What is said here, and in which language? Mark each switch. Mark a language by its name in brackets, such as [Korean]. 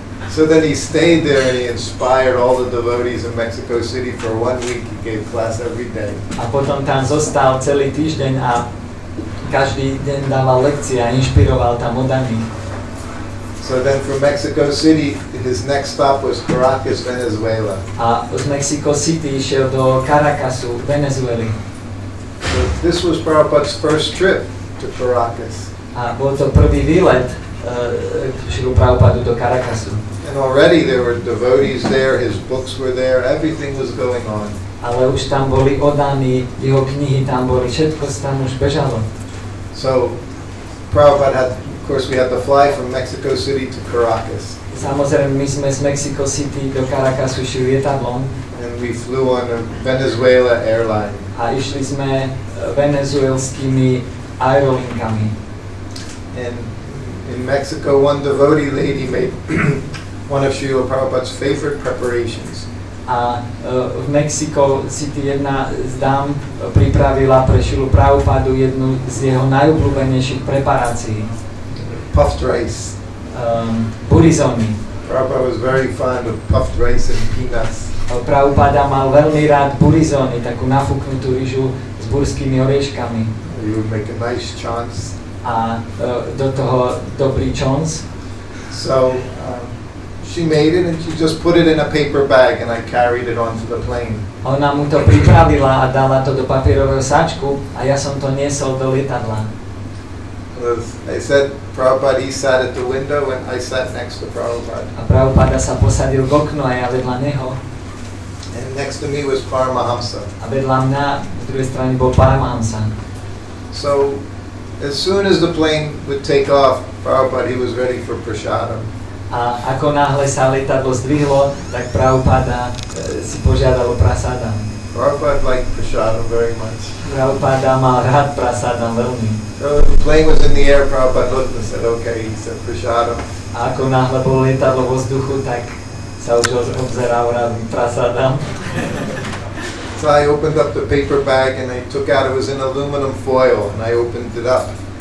[English] So then he stayed there and he inspired all the devotees in Mexico City for 1 week. He gave class every day. [Slovak] A potom tam zostal celý týždeň a každý deň dával lekcie a inšpiroval tam oddaných. [English] So then from Mexico City, his next stop was Caracas, Venezuela. [Slovak] A z Mexico City išiel do Caracasu, Venezuela. [English] So this was Prabhupada's first trip to Caracas. [Slovak] A bol to prvý výlet Šrilu Prabhupádu do Caracasu. [English] And already there were devotees there, his books were there, everything was going on. [Slovak] Ale už tam boli oddaní, jeho knihy tam boli, všetko tam už bežalo. [English] So Prabhupada had, of course, we had to fly from Mexico City to Caracas. [Slovak] Samozrejme, my sme z Mexico City do Caracasu išli lietadlom. [English] And we flew on a Venezuela airline. [Slovak] A išli sme venezuelskými aerolinkami. [English] And in Mexico, one devotee lady made one of Srila Prabhupada's favorite preparations. [Slovak] A v Mexico City jedna z dám pripravila pre Srilu Prabhupádu jednu z jeho najobľúbenejších preparácií. [English] Puffed rice. [Slovak] Burizomi. [English] Prabhupada was very fond of puffed rice and peanuts. [Slovak] Prabhupada mal veľmi rád burizomi, takú nafúknutú rýžu s burskými orieškami. [English] You would make a nice chons. [Slovak] A do toho dobrý chons. [English] So She made it and she just put it in a paper bag and I carried it onto the plane. [Slovak] Ona mu to pripravila a dala to do papierového sáčku a ja som to niesol do lietadla. [English] I said, Prabhupada, he sat at the window and I sat next to Prabhupada. [Slovak] A Prabhupada sa posadil k oknu a ja vedľa neho. [English] And next to me was Paramahamsa. [Slovak] A vedľa mňa, na druhej strane bol Paramahamsa. [English] So, as soon as the plane would take off, Prabhupada, he was ready for prasadam. [Slovak] A ako náhle sa lietadlo zdvihlo, tak Prabhupada si požiadal o prasadam. [English] Prabhupada liked prasadam very much. [Slovak] Prabhupada mal rád prasadam veľmi. [English] The plane was in the air, Prabhupada looked and said, okay, he said, prasadam. [Slovak] A ako náhle bolo lietadlo vo vzduchu, tak sa už obzeral rád prasadam. [English] So I opened up the paper bag and I took out, it was in aluminum foil, and I opened it up.